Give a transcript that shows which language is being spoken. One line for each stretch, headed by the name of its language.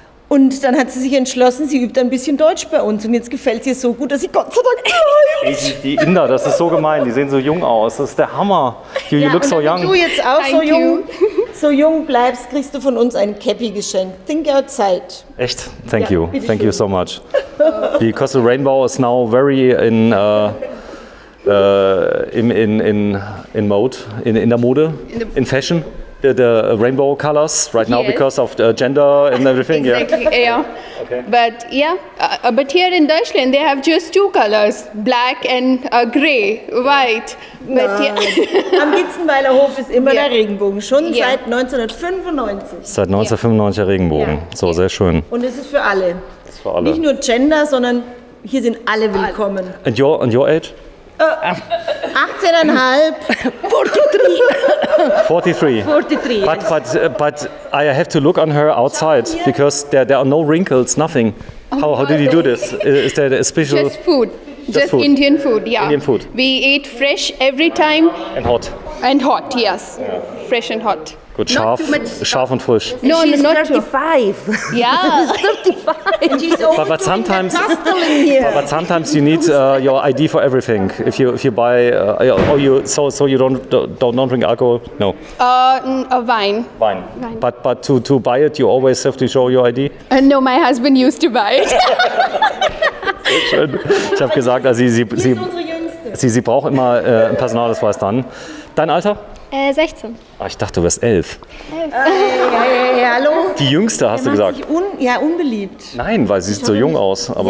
German: Und dann hat sie sich entschlossen, sie übt ein bisschen Deutsch bei uns. Und jetzt gefällt sie so gut, dass sie Gott sei Dank Englisch. Die Inder, das ist so gemein. Die sehen so jung aus. Das ist der Hammer.
English: You, you look so young.
German: Wenn du jetzt auch so jung bleibst, kriegst du von uns ein Käppi geschenkt.
English: Think outside.
German: Echt?
English: Thank you. Thank you so much. Because the rainbow is now very in mode,
German: in der Mode,
English: in fashion. The rainbow colors right now, yes. Because of the gender and everything. Exactly, yeah. Yeah. Okay. But yeah, but here in Deutschland they have just two colors, black and gray, white. But yeah.
German: Am Gitzenweiler Hof ist immer der Regenbogen, schon seit 1995. Seit 1995 der Regenbogen, so sehr schön. Und es ist für alle. Das ist für alle. Nicht nur Gender, sondern hier sind alle willkommen.
English: And your age? 18.5. 43. 43. 43. But I have to look on her outside because there are no wrinkles, nothing. Oh, how did you do this? Is there a special? Just food. Indian food. Yeah. Indian food. We eat fresh every time. And hot. And hot. Yes. Yeah. Fresh and hot. Good.
German: Scharf. Scharf und frisch.
English: No, she's not 35. Yeah. 35. But sometimes. But sometimes you need your ID for everything. If you buy or you so you don't drink alcohol. No. A wine. Wine. But to buy it, you always have to show your ID. No, my husband used to buy it.
German: Schön. Ich habe gesagt, also sie braucht immer ein Personalausweis dann. Dein Alter? 16. Ah, ich dachte, du wärst 11. Hallo. Die Jüngste, hast du gesagt. Unbeliebt. Nein, weil sie sieht so jung aus. Aber